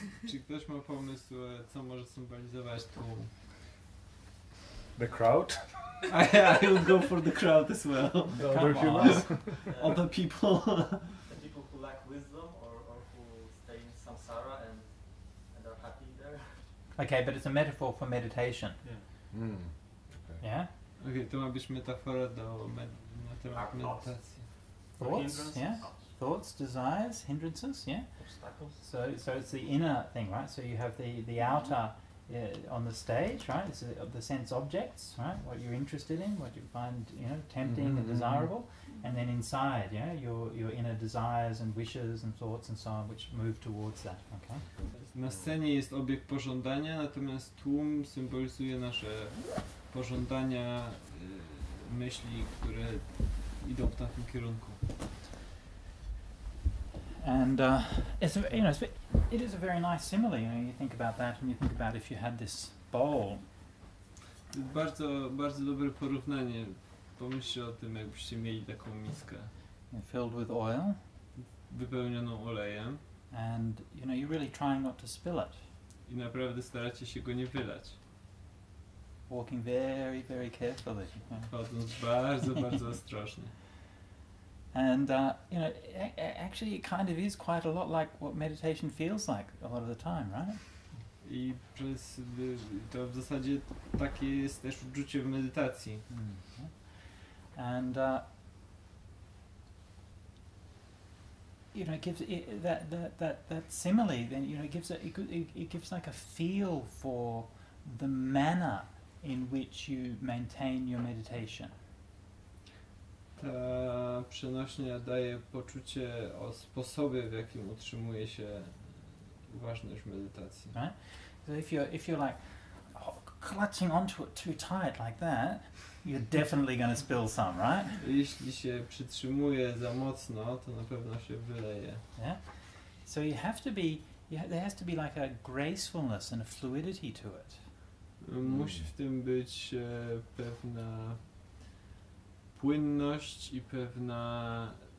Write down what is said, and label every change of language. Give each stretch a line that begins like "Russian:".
Polish: Czy ktoś ma pomysł, co może symbolizować tu?
English: The crowd? I would go for the crowd as well. The other humans? Other people. The people who lack wisdom or who stay in samsara and are happy there. Okay, but it's a metaphor for meditation. Yeah? Mm. Okay. Yeah?
Polish: Okay, to ma być metafora do meditacji.
English: Thoughts? Yeah? Thoughts, desires, hindrances, yeah? Obstacles. So it's the inner thing, right? So you have the outer on the stage, right? It's the sense objects, right? What you're interested in, what you find, you know, tempting and desirable. And then inside, yeah? Your inner desires and wishes and thoughts and so on, which move towards that, okay?
Polish: Na scenie jest obiekt pożądania, natomiast tłum symbolizuje nasze pożądania, myśli, które idą w tamtym kierunku.
English: And it is a very nice simile. You know, you think about that, and you think about if you had this bowl.
Polish: Bardzo, bardzo dobre porównanie. Pomyślcie o tym, jakbyście mieli taką miskę.
English: Filled with oil.
Polish: Wypełnioną olejem.
English: And you know, you're really trying not to spill it.
Polish: I naprawdę staracie się go nie wylać.
English: Walking very, very carefully.
Polish: Chodząc bardzo, bardzo ostrożnie.
English: And, you know, actually it kind of is quite a lot like what meditation feels like a lot of the time, right?
Polish: I przez, to w zasadzie takie jest też uczucie w medytacji. Mm-hmm.
English: And, you know, it gives it, that simile, then, you know, it gives like a feel for the manner in which you maintain your meditation.
Polish: Ta przenośnia daje poczucie o sposobie, w jakim utrzymuje się uważność w medytacji.
English: Right? So if you're like clutching onto it too tight like that, you're definitely going to spill some, right?
Polish: Jeśli się przytrzymuje za mocno, to na pewno się wyleje.
English: Yeah? So you have to be, there has to be like a gracefulness and a fluidity to it.
Polish: Musi w tym być pewna płynność i pewna